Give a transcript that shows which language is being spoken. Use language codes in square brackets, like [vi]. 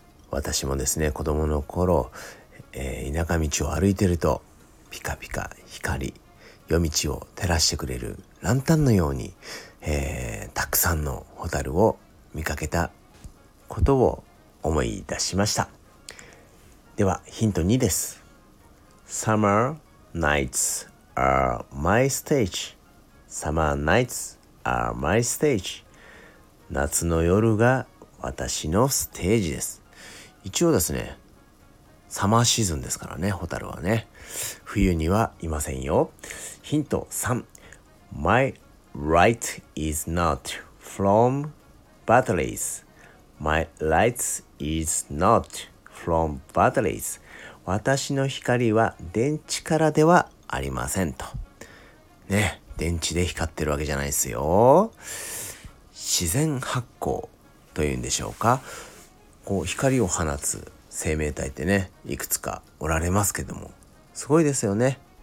[ja] 私もですね、子供の頃、田舎道を歩いてるとピカピカ光、夜道を照らしてくれるランタンのように、たくさんのホタルを見かけたことを思い出しました。ではヒント2です。 [en] Summer nights are my stage. Summer nights are my stage. [ja] 夏の夜が私のステージです。一応ですね、サマーシーズンですからね、ホタルはね。冬にはいませんよ。ヒント3。 [en] My light is not from batteries. My light is not from batteries. [ja] 私の光は電池からではありませんと。ね、電池で光ってるわけじゃないですよ。自然発光というんでしょうか。こう光を放つ生命体ってね、いくつかおられますけども、すごいですよね。